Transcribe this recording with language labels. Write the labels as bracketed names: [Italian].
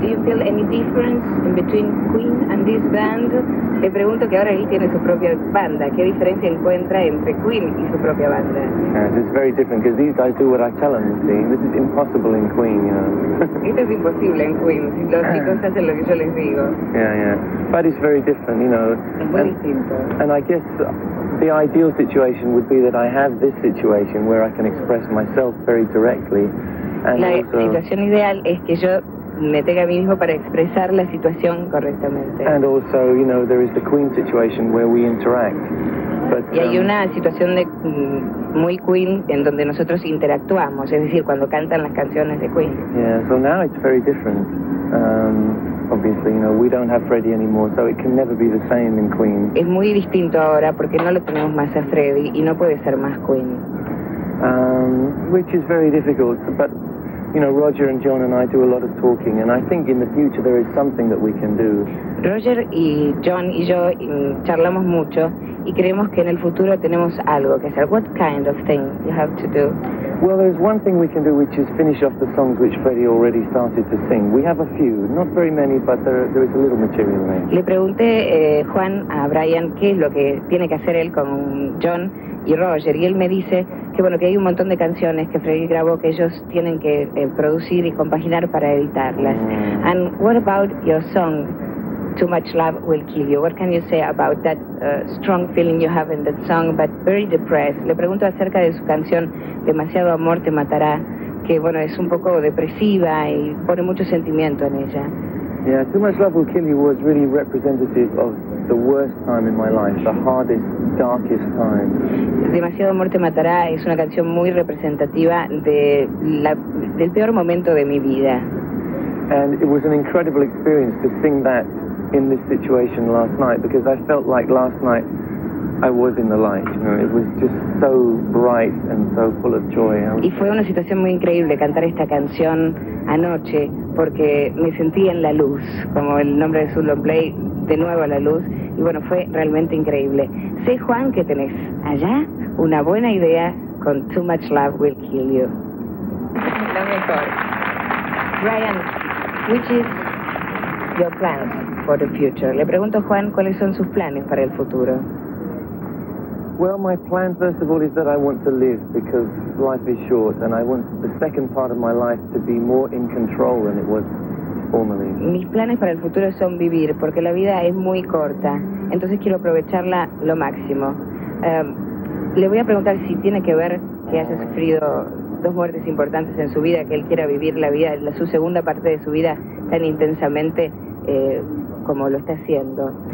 [English] Do you feel any difference in between Queen and this band? [Spanish] Te pregunto que ahora él tiene su propia banda. ¿Qué diferencia encuentra entre Queen y su propia banda? [English] Yes, it's very different because these guys do what I tell them. See, this is impossible in Queen. You know. [Spanish] Esto es imposible en Queen. Los chicos hacen lo que yo les digo. [English] Yeah, yeah. But it's very different, you know. And I guess the ideal situation would be that I have this situation where I can express myself very directly. And [Spanish] la [English] also, [Spanish] situación ideal es que yo me tenga a mí mismo para expresar la situación correctamente. [English] And also, you know, there is the Queen situation where we interact. But, [Spanish] y hay una situación de muy Queen en donde nosotros interactuamos, es decir, cuando cantan las canciones de Queen. [English] Yeah, so now it's very different. Obviously, you know, we don't have Freddie anymore, so it can never be the same in Queen. [Spanish] Es muy distinto ahora porque no lo tenemos más a Freddie y no puede ser más Queen. [English] Which is very difficult, but, you know, Roger and John and I do a lot of talking, and I think in the future there is something that we can do. [Spanish] Roger y John y yo charlamos mucho y creemos que en el futuro tenemos algo que hacer. [English] What kind of thing you have to do? Well, there's one thing we can do, which is finish off the songs which Freddie already started to sing. We have a few, not very many, but there is a little material there. [Spanish] Le pregunté, Juan, a Brian, qué es lo que tiene que hacer él con John y Roger, y él me dice que, bueno, que hay un montón de canciones que Freddie grabó que ellos tienen que producir y compaginar para editarlas. Mm. [English] And what about your song, Too Much Love Will Kill You? What can you say about that strong feeling you have in that song, but very depressed? [Spanish] Le pregunto acerca de su canción Demasiado Amor Te Matará, que bueno, es un poco depresiva y pone mucho sentimiento en ella. [English] Yeah, Too Much Love Will Kill You was really representative of the worst time in my life, the hardest, darkest time. [Spanish] Demasiado Amor Te Matará es una canción muy representativa de del peor momento de mi vida. [English] And it was an incredible experience to sing that in this situation last night, because I felt like last night I was in the light, you know, it was just so bright and so full of joy. [Spanish] Y fue una situación muy increíble cantar esta canción anoche, porque me sentí en la luz, como el nombre de su long play, de nuevo a la luz, y bueno, fue realmente increíble. Sé, Juan, que tenés allá una buena idea con Too Much Love Will Kill You. Lo mejor. [English] Brian, which is your plans for the future? [Spanish] Le pregunto a Juan, ¿cuáles son sus planes para el futuro? [English] Well, my plan, first of all, is that I want to live, because life is short, and I want the second part of my life to be more in control than it was formerly. [Spanish] Mis planes para el futuro son vivir, porque la vida es muy corta, entonces quiero aprovecharla lo máximo. Le voy a preguntar si tiene que ver que haya sufrido dos muertes importantes en su vida, que él quiera vivir la vida, su segunda parte de su vida tan intensamente como lo está haciendo.